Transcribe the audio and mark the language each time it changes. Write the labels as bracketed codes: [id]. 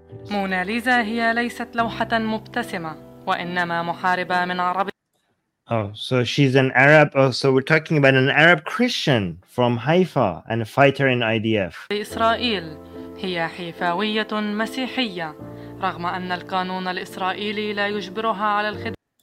[ar] مونا ليزا هي ليست لوحة مبتسمة وإنما محاربة من عربي. [en] Oh, so she's an Arab. Oh, so we're talking about an Arab Christian from Haifa and a fighter in IDF. Israel, [ar] هي حيفاوية مسيحية رغم أن القانون الإسرائيلي لا يجبرها على الخدمة.